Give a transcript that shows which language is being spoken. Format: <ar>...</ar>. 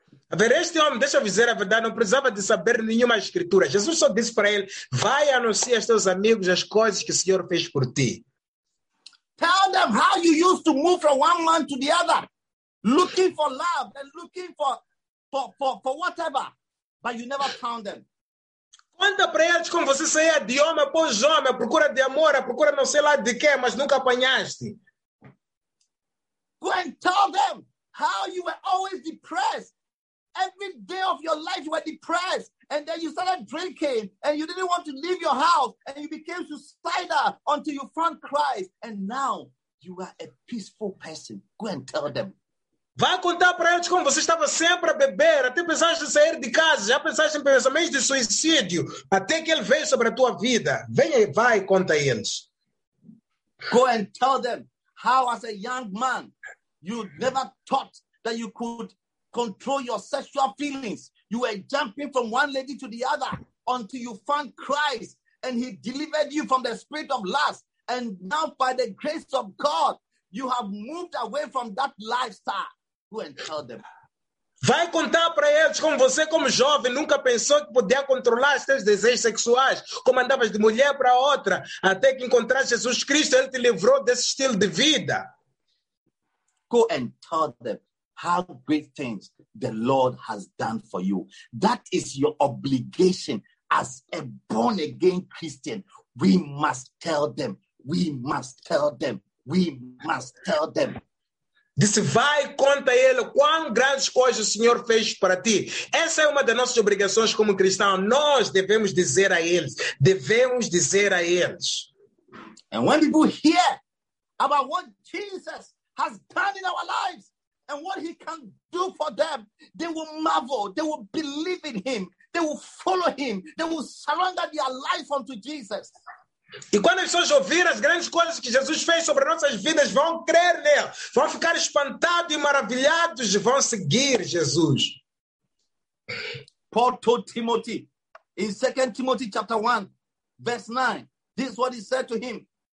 <pt>A ver, este homem, deixa eu dizer a verdade, não precisava de saber nenhuma escritura. Jesus só disse para ele, vai anunciar aos teus amigos as coisas que o Senhor fez por ti.</pt> <en>Tell them how you used to move from one man to the other, looking for love and looking for whatever, but you never found them.</en> <pt>Conta para eles como você saía de homem após homem, procura de amor, procura não sei lá de quê, mas nunca apanhaste.</pt> <en>Go and tell them how you were always depressed. Every day of your life you were depressed. And then you started drinking and you didn't want to leave your house and you became suicidal until you found Christ. And now you are a peaceful person. Go and tell them.</en> <pt>Vai contar para eles como você estava sempre a beber, até pensaste em sair de casa, já pensaste em pensamentos de suicídio, até que ele veio sobre a tua vida. Venha e vai, conta a eles.</pt> <en>Go and tell them how as a young man you never thought that you could control your sexual feelings. You were jumping from one lady to the other until you found Christ and he delivered you from the spirit of lust. And now by the grace of God, you have moved away from that lifestyle. Go and tell them.</en> <pt>Vai contar para eles como você, como jovem, nunca pensou que podia controlar os seus desejos sexuais, como andavas de mulher para outra, até que encontraste Jesus Cristo, ele te livrou desse estilo de vida.</pt> <en>Go and tell them how great things the Lord has done for you. That is your obligation as a born-again Christian. We must tell them. We must tell them. We must tell them.</en> <pt>Disse, vai conta ele quão grandes coisas o Senhor fez para ti. Essa é uma das nossas obrigações como cristão. Nós devemos dizer a eles. Devemos dizer a eles.</pt> <en>And when people hear about what Jesus has done in our lives, and what he can do for them, they will marvel, they will believe in him, they will follow him, they will surrender their life unto Jesus.</en> <pt>E quando as pessoas ouvirem as grandes coisas que Jesus fez sobre nossas vidas, vão crer nele, vão ficar espantados e maravilhados e vão seguir Jesus.</pt> <en>Paul told Timothy, in 2 Timothy chapter 1, verse 9, this is what he said to him.</en>